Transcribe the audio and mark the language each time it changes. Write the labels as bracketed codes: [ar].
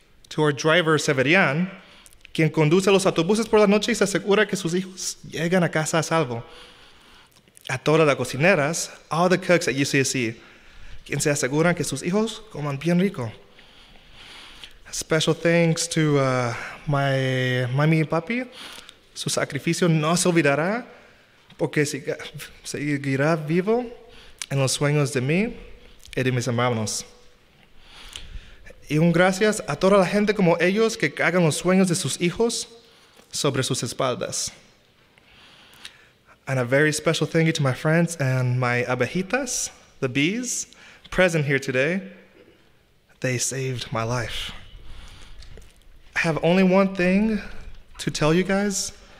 [en] To our driver, [es] Severian, quien conduce los autobuses por la noche y se asegura que sus hijos llegan a casa a salvo. A todas las cocineras, [en] all the cooks at UCSC, [es] quien se aseguran que sus hijos coman bien rico. [en] A special thanks to my mommy and papi. [es] Su sacrificio no se olvidará porque seguirá vivo en los sueños de mí y de mis hermanos. Y un gracias a toda la gente como ellos que cargan los sueños de sus hijos sobre sus espaldas. [en] And a very special thank you to my friends and my abejitas, the bees, present here today. They saved my life. I have only one thing to tell you guys.